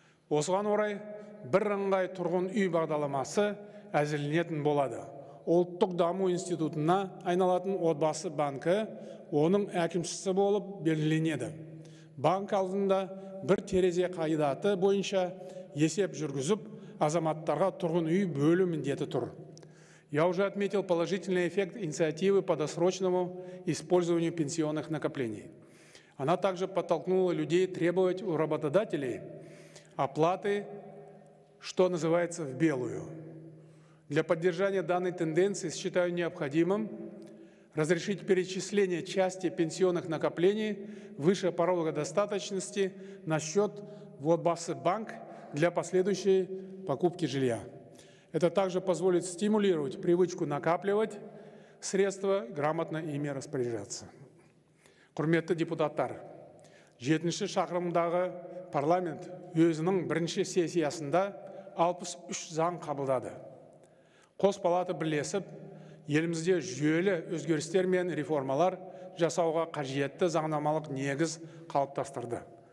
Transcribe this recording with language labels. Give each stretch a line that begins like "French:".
Kazakh: Осыған орай, бірыңғай тұрғын үй бағдарламасы әзірленетін болады. Ұлттық даму институтына айналатын отбасы банкі оның әкімшісі болып белгіленеді. Банк алдында бір терезе қағидаты бойынша есеп жүргізіп, азаматтарға тұрғын үй бөлу міндеті тұр.
Russian: Я уже отметил положительный эффект инициативы по досрочному использованию пенсионных накоплений. Она также подтолкнула людей требовать у работодателей оплаты, что называется, в белую. Для поддержания данной тенденции считаю необходимым разрешить перечисление части пенсионных накоплений выше порога достаточности на счет в Отбасы-банк для последующей покупки жилья. Это также позволит стимулировать привычку накапливать средства, грамотно ими распоряжаться.
Kazakh: Құрметті депутаттар, 7-ші шақырымдағы парламент өзінің бірінші сессиясында 63 заң қабылдады. Қос палаты бірлесіп, елімізде жүйелі өзгерістер мен реформалар жасауға қажетті заңнамалық негіз қалыптастырды.